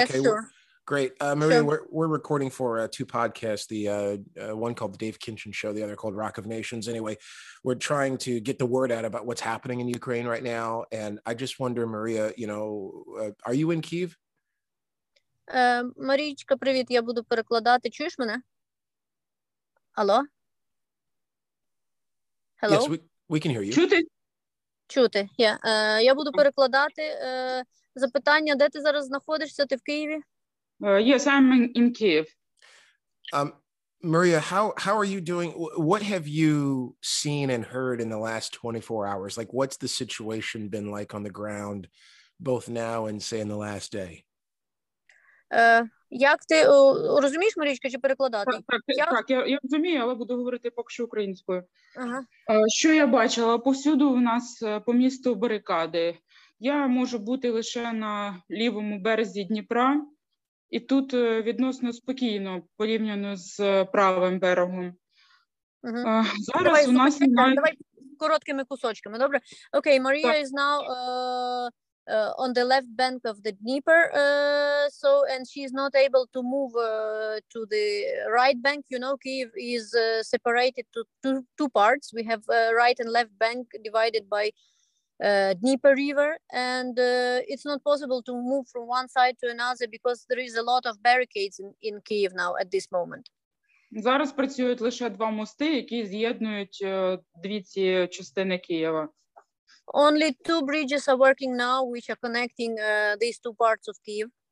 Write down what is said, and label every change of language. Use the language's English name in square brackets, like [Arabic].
[English] Yes, sure. Great. Maria, sure. We're recording for two podcasts, the one called The Dave Kinchin Show, the other called Rock of Nations. Anyway, we're trying to get the word out about what's happening in Ukraine right now. And I just wonder, Maria, you know, are you in Kyiv? [Ukrainian] Марічка, привіт, я буду перекладати. Чуєш мене? Алло? [English] Hello? Yes, we can hear you. [Ukrainian] Чути, [English] yeah. [Ukrainian] Я буду перекладати. Запитання, де ти зараз знаходишся? Ти в Києві? [English] Yes, I'm in Kyiv. Maria, how are you doing? What have you seen and heard in the last 24 hours? Like, what's the situation been like on the ground, both now and, say, in the last day? [Ukrainian] Як ти розумієш, Марічка, чи перекладати? Так, я розумію, але буду говорити поки що українською. Ага. Що я бачила? Повсюду у нас по місту барикади. Я можу бути лише на лівому березі Дніпра, і тут відносно спокійно, порівняно з правим берегом. Ага. Зараз давай, у нас... Давай короткими кусочками, добре? [English] Окей, Марія is now... on the left bank of the Dnieper, so, and she is not able to move to the right bank. You know, Kyiv is separated to two parts. We have right and left bank divided by Dnieper River, and it's not possible to move from one side to another because there is a lot of barricades in Kyiv now at this moment. [Ukrainian] Зараз працюють лише два мости, які з'єднують дві ці частини Києва. [English] Only two bridges are working now, which are connecting these two parts of Kyiv.